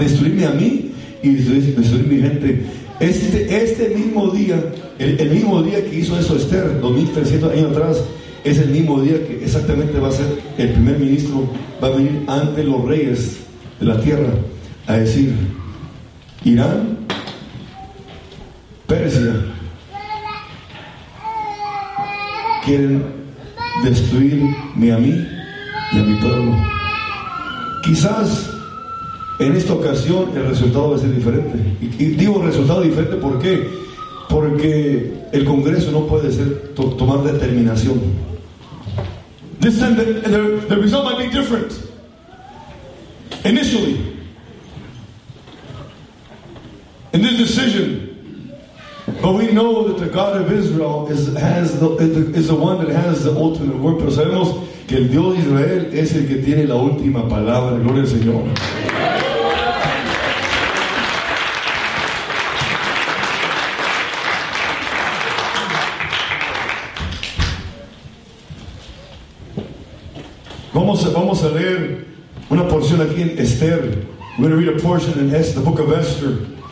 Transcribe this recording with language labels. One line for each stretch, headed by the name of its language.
Spanish: Destruirme a mí y destruir mi gente. Este mismo día que hizo eso Esther, 2300 años atrás, es el mismo día que exactamente va a ser el primer ministro, va a venir ante los reyes de la tierra a decir: Irán, Persia, quieren destruirme a mí y a mi pueblo. Quizás en esta ocasión el resultado va a ser diferente. Y digo resultado diferente, ¿por qué? Porque el Congreso no puede ser tomar determinación.
English: This time the result might be different. Initially, in this decision, but we know that the God of Israel is the one that has the ultimate word.
Spanish: Pero sabemos que el Dios de Israel es el que tiene la última palabra. Gloria al Señor. Vamos a leer una porción aquí en Esther.
English: We're going to read a portion in Esther, the book of Esther.